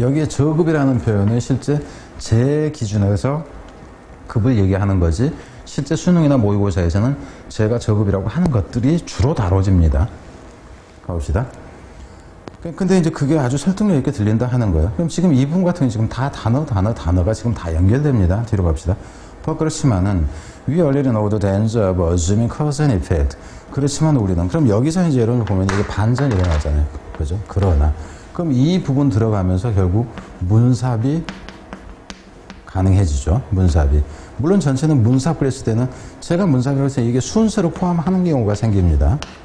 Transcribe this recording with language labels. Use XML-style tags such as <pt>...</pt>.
<ko>여기에 저급이라는 표현은 실제 제 기준에서 급을 얘기하는 거지 실제 수능이나 모의고사에서는 제가 저급이라고 하는 것들이 주로 다뤄집니다. 가봅시다. 근데 이제 그게 아주 설득력 있게 들린다 하는 거예요. 그럼 지금 이 부분 같은 게 지금 다 단어가 지금 다 연결됩니다. 뒤로 갑시다. 그렇지만은</ko> <en>We already know the danger of assuming cause and effect.</en> <ko>그렇지만 우리는 그럼 여기서 이제 여러분 보면 이게 반전이 일어나잖아요. 그죠? 그러나 그럼 이 부분 들어가면서 결국 문삽이 가능해지죠. 문삽이. 물론 전체는 문삽 그랬을 때는 제가 문삽이라고 해서 이게 순서로 포함하는 경우가 생깁니다.</ko>